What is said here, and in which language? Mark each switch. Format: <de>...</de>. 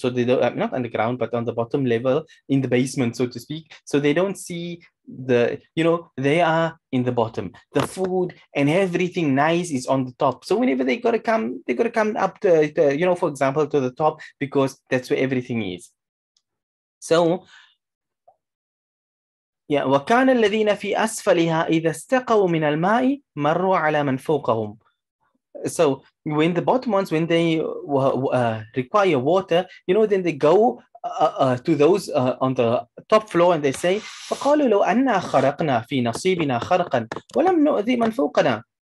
<en>So they don't, not underground, but on the bottom level, in the basement, so to speak. So they don't see the, you know, they are in the bottom. The food and everything nice is on the top. So whenever they gotta come, they gotta come up to, you know, for example, to the top, because that's where everything is. So yeah,</en> <ar>وكان الذين في أسفلها إذا استقوا من الماء مروا على من فوقهم.</ar> <en>So when the bottom ones, when they require water, you know, then they go to those on the top floor and they say,</en> <ar>فَقَالُوا لَوْ أَنَّا خَرَقْنَا فِي نَصِيبِنَا خَرَقًا وَلَمْ نُؤْذِي مَنْ فَوْقَنَا.</ar>